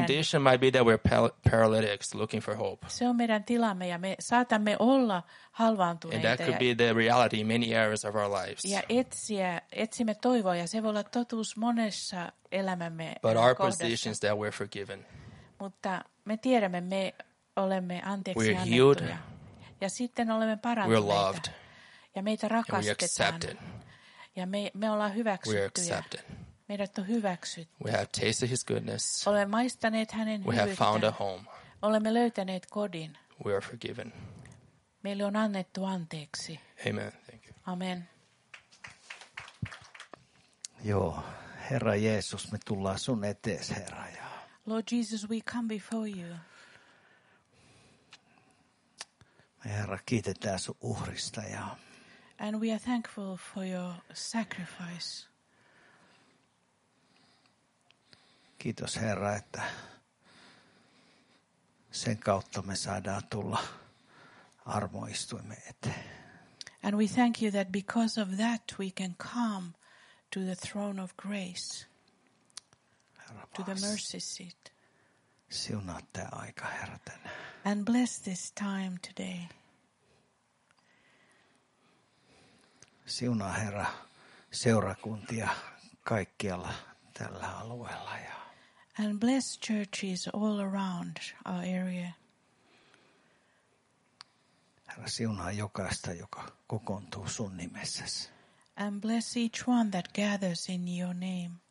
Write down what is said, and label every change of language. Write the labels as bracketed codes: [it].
[en] condition might be that we're paralytics looking for hope. [fi] Se on meidän tilamme ja me saatamme olla halvaantuneita. [en] And that could be the reality in many areas of our lives. [fi] Ja etsimme toivoa ja se voi olla totuus monessa elämämme [en] But our position is that we're forgiven. [fi] Mutta me tiedämme, me olemme anteeksi annettuja. Ja sitten olemme parantuneita. [en] We're loved. [fi] Ja meitä rakastetaan. Ja me ollaan hyväksyttyjä. Meidät on hyväksytty. [en] We have tasted his goodness. [fi] Olemme maistaneet hänen hyvyyttä. [en] We have found a home. [fi] Olemme löytäneet kodin. [en] We are forgiven. [fi] Meille on annettu anteeksi. [en] Amen. Thank you. [fi] Amen. Joo, Herra Jeesus, me tullaan sun eteesi, Herra. [en] Lord Jesus, we come before you. [fi] Me Herra, kiitetään sun uhrista ja. [en] And we are thankful for your sacrifice. [fi] Kiitos Herra, että sen kautta me saadaan tulla armoistuimme eteen. [en] And we thank you that because of that we can come to the throne of grace, [fi] Herra, [en] to the mercy seat. [fi] Siunaa tämä aika, Herra, tänään. [en] And bless this time today. [fi] Siunaa, Herra, seurakuntia kaikkialla tällä alueella ja. [en] And bless churches all around our area. [fi] Herra, siunaa jokaista, joka kokoontuu sun nimessäsi. [en] And bless each one that gathers in your name.